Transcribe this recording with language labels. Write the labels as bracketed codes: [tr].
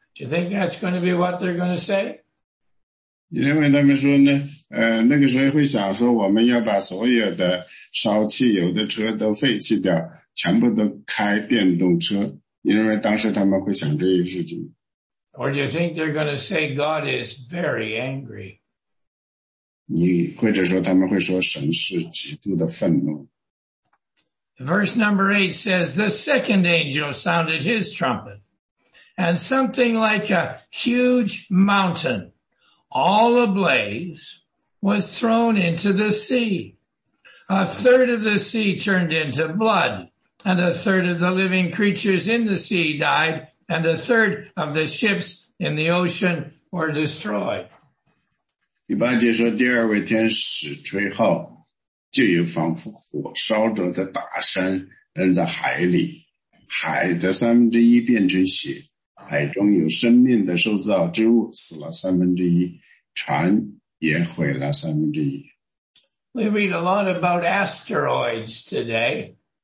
[en] Do you think that's going to be what they're going to say? [zh] 你认为他们说呢？那个时候会想说我们要把所有的烧汽油的车都废弃掉，全部都开电动车。你认为当时他们会想这些事情？ [en] Or do you think they're going to say God is very angry? [zh] 你或者说他们会说神是极度的愤怒。 [en] Verse number 8 says, the second angel sounded his trumpet, and something like a huge mountain, all ablaze, was thrown into the sea. A third of the sea turned into blood. and a third of the living creatures in the sea died, and a third of the ships in the ocean were destroyed. [zh] 第八节说，第二位天使吹号。就有仿佛火烧着的大山扔在海里，海的三分之一变成血，海中有生命的受造之物死了三分之一，船也毁了三分之一。 [en] We read a lot about asteroids today.